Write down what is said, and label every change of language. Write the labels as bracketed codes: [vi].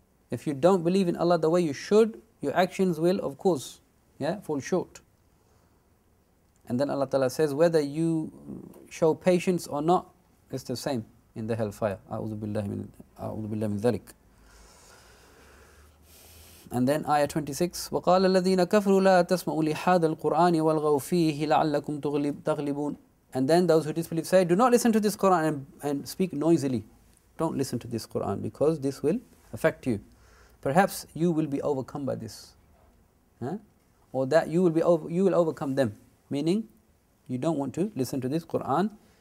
[en] If you don't believe in Allah the way you should, your actions will, of course, yeah, fall short. And then Allah Ta'ala says, whether you show patience or not, it's the same in the hellfire. A'udhu billahi min dhalik. And then ayah 26, [ar] وَقَالَ الَّذِينَ كَفْرُوا لَا تَسْمَعُوا لِحَادَ الْقُرْآنِ وَالْغَوْ فِيهِ لَعَلَّكُمْ تَغْلِبُونَ. [en] And then those who disbelieve say, do not listen to this Qur'an and speak noisily. Don't listen to this Qur'an because this will affect you. Perhaps you will be overcome by this. Huh? Or that you will overcome them. Meaning, you don't want to listen to this Qur'an.